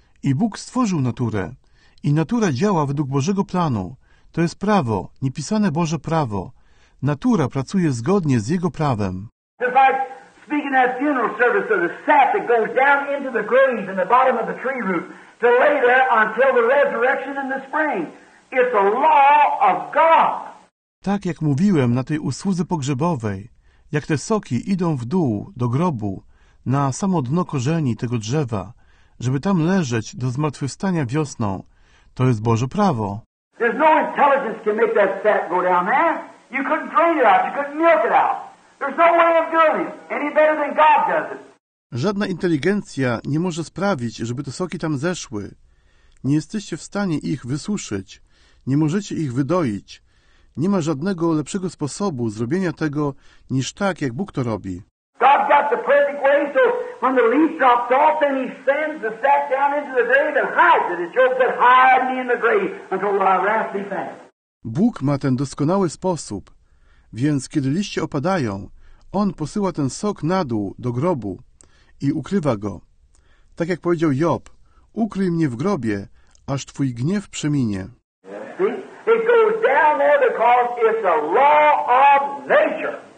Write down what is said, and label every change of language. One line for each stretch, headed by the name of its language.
Polish: I Bóg stworzył naturę. I natura działa według Bożego planu. To jest prawo, niepisane Boże prawo. Natura pracuje zgodnie z Jego prawem.
English: It's like speaking at funeral service of the sap that goes down into the grave in the bottom of the tree root to lay there until the resurrection in the spring. It's a law of God.
Polish: Tak jak mówiłem na tej usłudze pogrzebowej, jak te soki idą w dół, do grobu, na samo dno korzeni tego drzewa, żeby tam leżeć do zmartwychwstania wiosną, to jest Boże prawo.
English: There's no intelligence can make that sap go down there. You couldn't drain it out, you couldn't milk it out. There's no way of doing it any better than God does it.
Polish: Żadna inteligencja nie może sprawić, żeby te soki tam zeszły. Nie jesteście w stanie ich wysuszyć. Nie możecie ich wydoić. Nie ma żadnego lepszego sposobu zrobienia tego niż tak, jak Bóg to robi.
English: God got the perfect way, so when the leaf drops off, then he sends the sap down into the grave and hides it. It's Job said, hide me in the grave until my wrath be fast.
Polish: Bóg ma ten doskonały sposób, więc kiedy liście opadają, on posyła ten sok na dół do grobu i ukrywa go. Tak jak powiedział Job, ukryj mnie w grobie, aż twój gniew przeminie.
English: See? It goes down there because it's a law of nature.